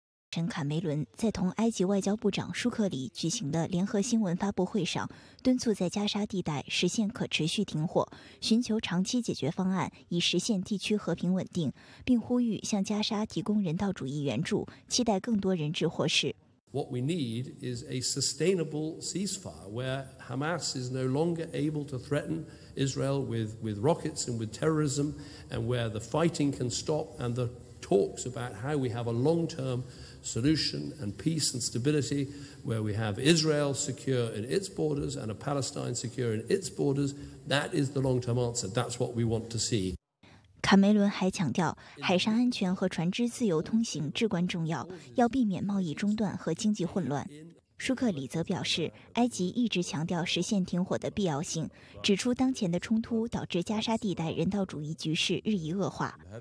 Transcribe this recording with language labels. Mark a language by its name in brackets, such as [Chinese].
[Chinese] 神卡梅伦在同埃及外交部长舒克里举行的联合新闻发布会上，敦促在加沙地带实现可持续停火，寻求长期解决方案，以实现地区和平稳定，并呼吁向加沙提供人道主义援助，期待更多人质获释。 [English] What we need is a sustainable ceasefire where Hamas is no longer able to threaten Israel with rockets and with terrorism, and where the fighting can stop and the talks about how we have a long-term solution and peace and stability, where we have Israel secure in its borders and a Palestine secure in its borders, that is the long-term answer. That's what we want to see. [Chinese] 卡梅伦还强调，海上安全和船只自由通行至关重要，要避免贸易中断和经济混乱。舒克里则表示，埃及一直强调实现停火的必要性，指出当前的冲突导致加沙地带人道主义局势日益恶化。